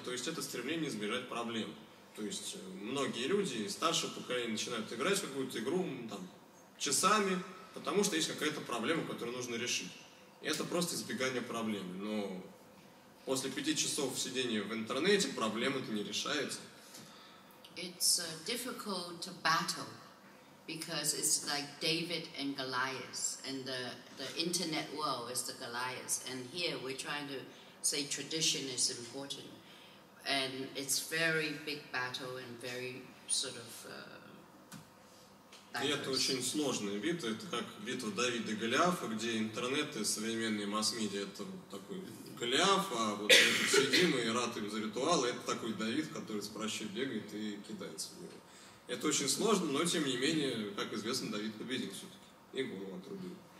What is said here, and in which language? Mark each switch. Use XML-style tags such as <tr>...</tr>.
<ru>То есть это стремление избежать проблем. То есть многие люди старшего поколения начинают играть в какую-то игру там, часами, потому что есть какая-то проблема, которую нужно решить. И это просто избегание проблемы. Но после 5 часов сидения в интернете проблема-то не решается.</ru> <en>It's a difficult battle. Because it's like David and Goliath, and the internet world is the Goliath. And here we're trying to say tradition is important. And it's very big battle and very sort of...</en> <ru>И это очень сложная битва. Это как битва Давида и Голиафа, где интернет и современные масс-медиа – это такой Голиаф, а вот мы тут сидим и ратуем за ритуалы. Это такой Давид, который с пращей бегает и кидается в него. Это очень сложно, но тем не менее, как известно, Давид победил все-таки и голову отрубил.</ru>